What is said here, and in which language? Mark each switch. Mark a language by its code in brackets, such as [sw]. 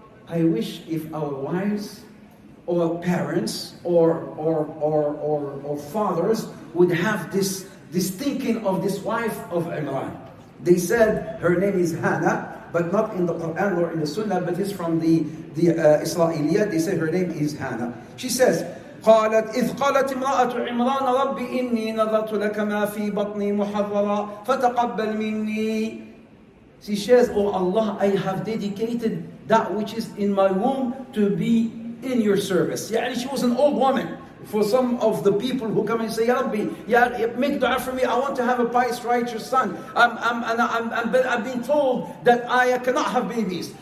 [en] I wish if our wives or parents or fathers would have this thinking of this wife of Imran. They said her name is Hannah, but not in the Quran or in the Sunnah, but it's from the Israeliyyah. They say her name is Hannah. She says, [ar] قالت إذ قالت امرأة عمران ربي إني نظرت لك ما في بطني محررا فتقبل مني. [en] She says, Oh Allah, I have dedicated that which is in my womb to be in your service. يعني she was an old woman. For some of the people who come and say, Ya Rabbi, Ya, make dua for me. I want to have a pious, righteous son. I've been told that I cannot have babies.